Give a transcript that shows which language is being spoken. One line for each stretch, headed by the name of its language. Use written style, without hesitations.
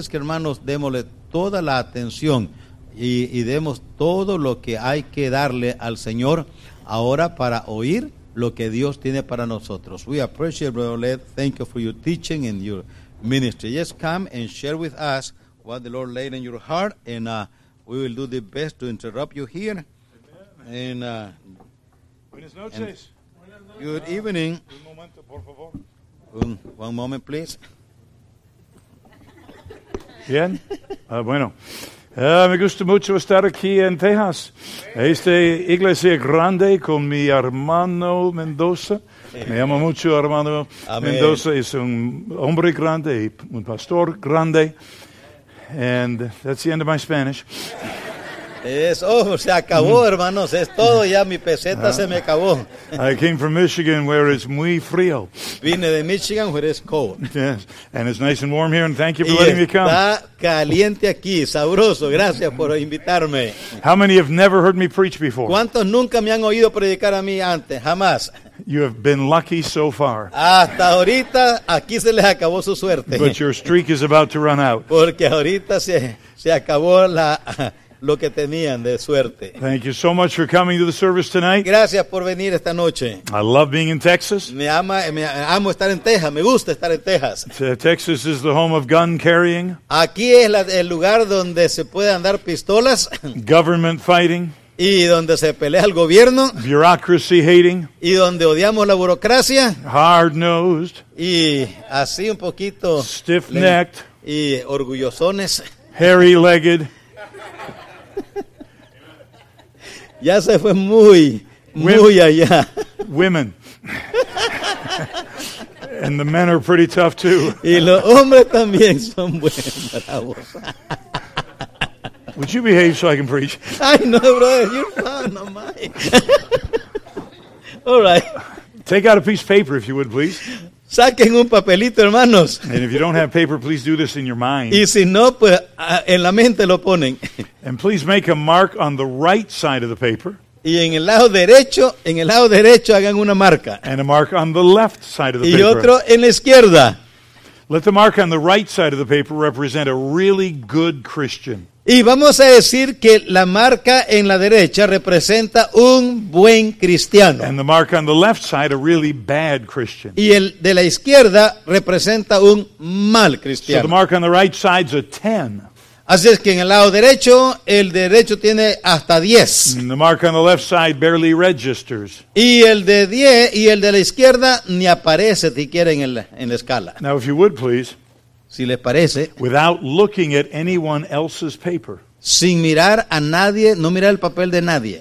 Spanish: Es que hermanos, démosle toda la atención y demos todo lo que hay que darle al Señor ahora para oír lo que Dios tiene para nosotros.
English: We appreciate, Brother Led. Thank you for your teaching and your ministry. Just come and share with us what the Lord laid in your heart, and we will do the best to interrupt you here. Amen.
Spanish: Buenas noches.
English: Good evening.
Spanish: Un momento, por favor.
English: One moment, please.
Spanish: Bien. Bueno. Me gusta mucho estar aquí en Texas. Esta iglesia grande con mi hermano Mendoza. Me llamo mucho hermano. Amén. Mendoza. Es un hombre grande y un pastor grande.
English: And that's the end of my Spanish.
Spanish: Se acabó, hermanos. Es todo ya. Mi peseta se me acabó.
English: I came from Michigan, where it's
Spanish: muy frío. Vine de
English: Michigan, where it's cold. Yes, and it's nice and warm here. And thank you for letting me come.
Spanish: Está caliente aquí, sabroso. Gracias por invitarme.
English: How many have never heard me preach before?
Spanish: ¿Cuántos nunca me han oído predicar a mí antes? Jamás.
English: You have been lucky so far.
Spanish: Hasta ahorita aquí se les acabó su suerte.
English: But your streak is about to run out.
Spanish: Porque ahorita se acabó la lo que tenían de suerte.
English: Thank you so much for coming to the service tonight.
Spanish: Gracias por venir esta noche.
English: I love being in Texas.
Spanish: Me amo estar en Texas. Me gusta estar en Texas.
English: Texas is the home of gun carrying.
Spanish: Aquí es el lugar donde se puede andar pistolas.
English: Government fighting.
Spanish: Y donde se pelea el gobierno.
English: Bureaucracy hating.
Spanish: Y donde odiamos la burocracia.
English: Hard nosed.
Spanish: Y así un poquito.
English: Stiff necked.
Spanish: Y orgullosones.
English: Hairy legged.
Spanish: Ya se fue muy, muy women, allá.
English: Women. And the men are pretty tough too.
Spanish: Y los hombres también son buenos.
English: Would you behave so I can preach? Ay, no, brother, you're fine, no, my. All right. Take out a piece of paper, if you would, please.
Spanish: Saquen un papelito, hermanos.
English: And if you don't have paper, please do this in your mind.
Spanish: Y si no, pues, en la mente lo ponen.
English: And please make a mark on the right side of the paper.
Spanish: Y en el lado derecho hagan una marca.
English: And a mark on the left side of the
Spanish: y
English: paper.
Spanish: Y otro en la izquierda.
English: Let the mark on the right side of the paper represent a really good Christian.
Spanish: Y vamos a decir que la marca en la derecha representa un buen cristiano.
English: And the mark on the left side, a really bad Christian.
Spanish: Y el de la izquierda representa un mal cristiano.
English: So the mark on the right side's a 10.
Spanish: Así es que en el derecho tiene hasta 10.
English: And the mark on the left side barely registers.
Spanish: Y el de 10 y el de la izquierda ni aparece siquiera en la escala.
English: Now if you would please.
Spanish: Si les parece,
English: without looking at anyone else's paper,
Spanish: sin mirar a nadie, no mirar el papel de nadie,